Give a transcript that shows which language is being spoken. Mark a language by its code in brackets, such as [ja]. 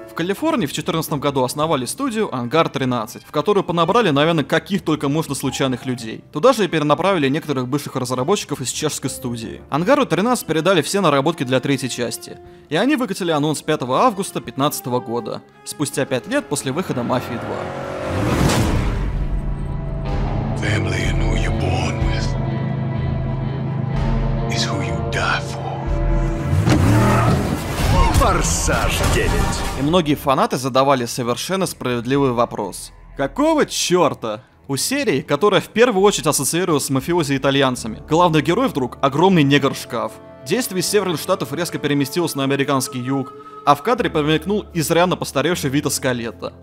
[ru] В Калифорнии в 2014 году основали студию Ангар 13, в которую понабрали, наверное, каких только можно случайных людей. Туда же и перенаправили некоторых бывших разработчиков из чешской студии. Ангару 13 передали все наработки для третьей части, и они выкатили анонс 5 августа 2015 года, спустя 5 лет после выхода «Мафии 2». [en] Family and who you're born with is who you die for. [ru] Форсаж 9. И многие фанаты задавали совершенно справедливый вопрос. Какого черта? У серии, которая в первую очередь ассоциировалась с мафиози-итальянцами, главный герой вдруг — огромный негр-шкаф. Действие из северных штатов резко переместилось на американский юг, а в кадре промелькнул изрядно постаревший Вито Скалетто.